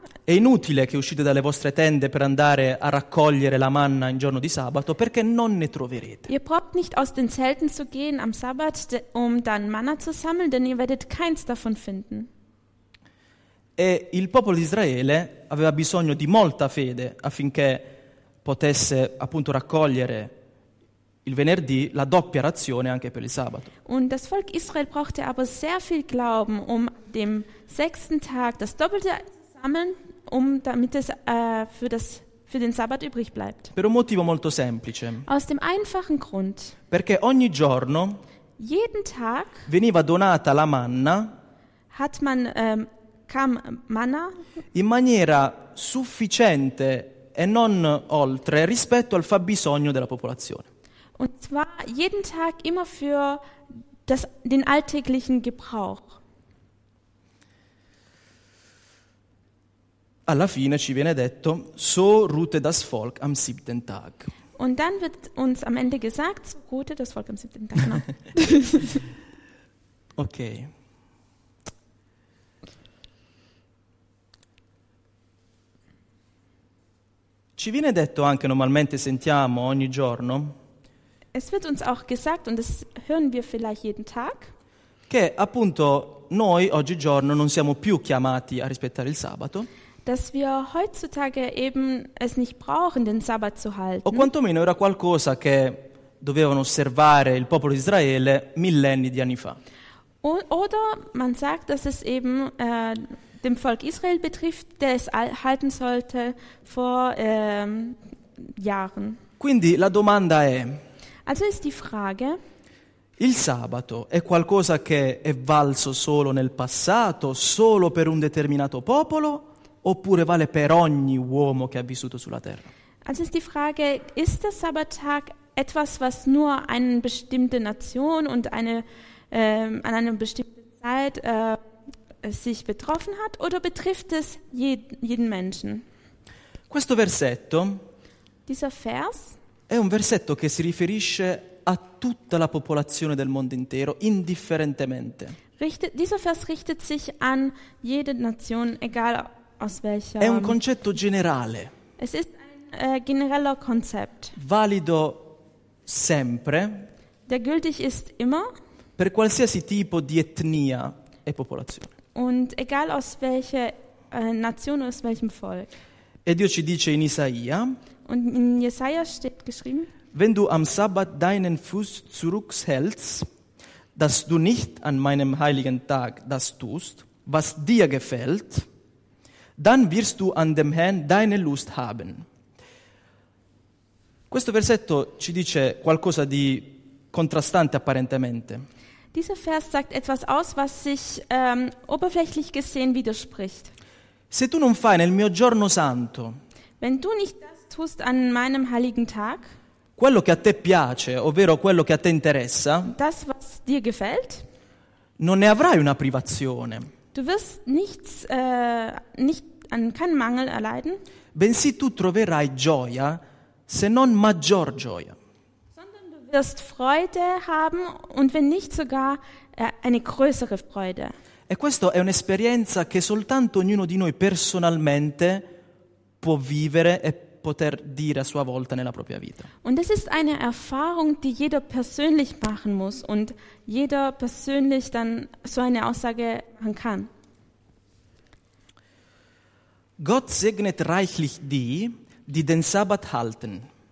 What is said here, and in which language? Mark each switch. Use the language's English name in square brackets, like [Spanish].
[Italian] È inutile che uscite dalle vostre tende per andare a raccogliere la manna in giorno di sabato, perché non ne troverete. [German] Ihr braucht nicht aus den Zelten zu gehen am Sabbat, um dann Manna zu sammeln, denn ihr werdet keins davon finden. [Italian] E il popolo di Israele aveva bisogno di molta fede affinché potesse appunto raccogliere il venerdì la doppia razione anche per il sabato. [German] Und das Volk Israel brauchte aber sehr viel Glauben, um dem sechsten Tag das Doppelte sammeln, um damit es für den Sabbat übrig bleibt. [Italian] Per un motivo molto semplice. [German] Aus dem einfachen Grund. [Italian] Perché ogni giorno, [German] jeden Tag, [Italian] veniva donata la manna, [German] hat man kam Manna [Italian] in maniera sufficiente e non oltre rispetto al fabbisogno della popolazione. [German] Und zwar jeden Tag immer für den alltäglichen Gebrauch. [Italian] Alla fine ci viene detto, [German] so ruhte das Volk am siebten Tag. Und dann wird uns am Ende gesagt, so ruhte das Volk am siebten Tag. Okay. [Italian] Ci viene detto anche, normalmente sentiamo ogni giorno, [German] es wird uns auch gesagt, und das hören wir vielleicht jeden Tag, [Italian] che appunto noi oggigiorno non siamo più chiamati a rispettare il sabato, [German] dass wir heutzutage eben es nicht brauchen, den Sabbat zu halten. [Italian] O quantomeno era qualcosa che dovevano osservare il popolo di Israele millenni di anni fa. [German] Oder man sagt, dass es eben dem Volk Israel betrifft, der es halten sollte vor Jahren. [Italian] Quindi la domanda è, [German] also ist die Frage, [Italian] il sabato è qualcosa che è valso solo nel passato, solo per un determinato popolo, oppure vale per ogni uomo che ha vissuto sulla terra? [German] Also ist die Frage, ist der Sabbattag etwas, was nur eine bestimmte Nation und an einer bestimmten Zeit sich betroffen hat, oder betrifft es jeden Menschen? [Italian] Questo versetto, [German] dieser Vers, [Italian] è un versetto che si riferisce a tutta la popolazione del mondo intero, indifferentemente. [German] Dieser Vers richtet sich an jede Nation, egal aus welcher. [Italian] È un concetto generale. [German] Es ist ein genereller Konzept. [Italian] Valido sempre. [German] Der gültig ist immer. [Italian] Per qualsiasi tipo di etnia e popolazione. [German] Und egal aus welcher Nation, aus welchem Volk. [Italian] E Dio ci dice in Isaia. [German] Und in Jesaja steht geschrieben, wenn du am Sabbat deinen Fuß zurückhältst, dass du nicht an meinem heiligen Tag das tust, was dir gefällt, dann wirst du an dem Herrn deine Lust haben. [Italian] Questo versetto ci dice qualcosa di contrastante apparentemente. [German] Dieser Vers sagt etwas aus, was sich oberflächlich gesehen widerspricht. [Italian] Se tu non fai nel mio giorno santo, [German] wenn du nicht tust an meinem heiligen Tag, [Italian] quello che a te piace, ovvero quello che a te interessa, [German] das was dir gefällt, [Italian] non ne avrai una privazione. [German] Du wirst nichts, nicht an keinen Mangel erleiden. [Italian] Bensì tu troverai gioia, se non maggior gioia. [German] Sondern du wirst Freude haben und wenn nicht sogar eine größere Freude. [Italian] E questo è un'esperienza che soltanto ognuno di noi personalmente può vivere e poter dire a sua volta nella propria vita. [German] Und es ist eine Erfahrung, die jeder persönlich machen muss und jeder persönlich dann so eine Aussage machen kann. Gott segnet reichlich die, die den Sabbat halten.